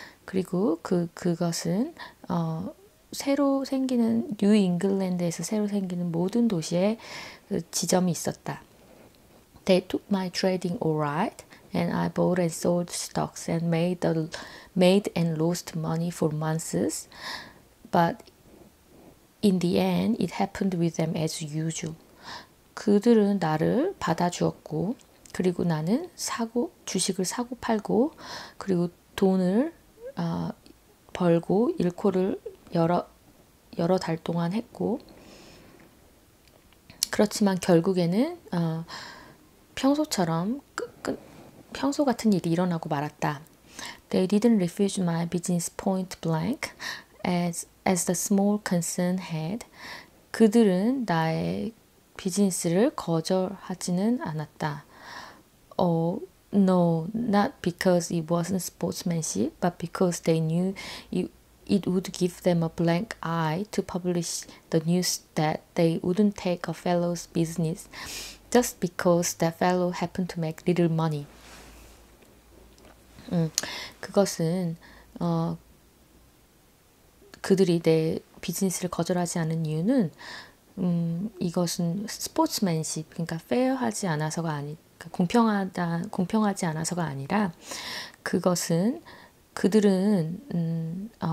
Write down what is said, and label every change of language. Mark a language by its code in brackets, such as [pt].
[ko] 그리고 그것은 새로 생기는 New England에서 새로 생기는 모든 도시에 그 지점이 있었다. [en] They took my trading all right, and I bought and sold stocks and made and lost money for months. But in the end, it happened with them as usual. [ko] 그들은 나를 받아주었고, 그리고 나는 주식을 사고 팔고, 그리고 돈을 벌고 일코를 여러 달 동안 했고, 그렇지만 결국에는 평소처럼 평소 같은 일이 일어나고 말았다. [en] They didn't refuse my business point blank as the small concern had. [ko] 그들은 나의 비즈니스를 거절하지는 않았다. [en] Oh, no, not because it wasn't sportsmanship, but because they knew it would give them a blank eye to publish the news that they wouldn't take a fellow's business. just because that fellow happened to make little money. [ko] 그것은 그들이 내 비즈니스를 거절하지 않은 이유는 이것은 스포츠맨십, 그러니까 페어하지 않아서가 아니, 그러니까 공평하지 않아서가 아니라 그것은 그들은